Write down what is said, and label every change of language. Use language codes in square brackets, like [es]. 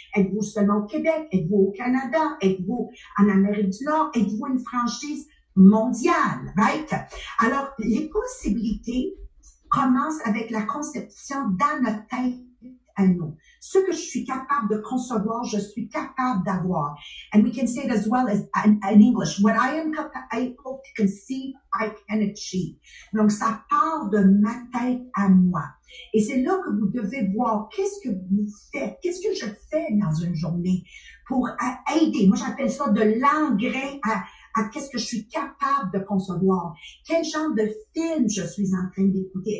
[fr] Êtes-vous seulement au Québec? Êtes-vous au Canada? Êtes-vous en Amérique du Nord? Êtes-vous une franchise mondiale, right? Alors, les possibilités commencent avec la conception dans notre tête à nous. Ce que je suis capable de concevoir, je suis capable d'avoir. [en] And we can say it as well as in English. What I am able to conceive, I can achieve. [fr] Donc, ça part de ma tête à moi. Et c'est là que vous devez voir qu'est-ce que vous faites, qu'est-ce que je fais dans une journée pour aider. Moi, j'appelle ça de l'engrais à qu'est-ce que je suis capable de concevoir. Quel genre de film je suis en train d'écouter?